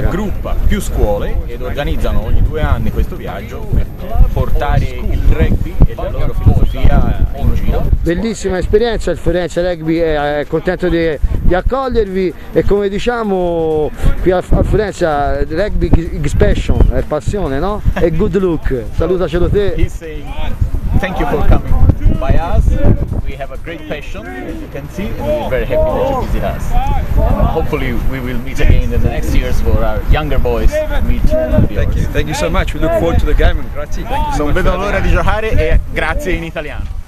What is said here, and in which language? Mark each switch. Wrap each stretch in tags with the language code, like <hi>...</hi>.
<it>Raggruppa più scuole ed organizzano ogni 2 anni questo viaggio per portare il rugby e la loro filosofia in giro. Bellissima esperienza, il Firenze Rugby è contento di accogliervi e come diciamo qui a Firenze rugby expression è passione, no? E</it> <en>good luck,</en> <it>salutacelo te.</it> <en>He's saying thank you for coming by us, we have a great passion as you can see, and we're very happy that you visit us, and hopefully we will meet again in the next years for our younger boys to meet. Thank you so much, we look forward to the game,</en> <it>grazie. Non vedo l'ora di giocare e grazie in italiano.</it>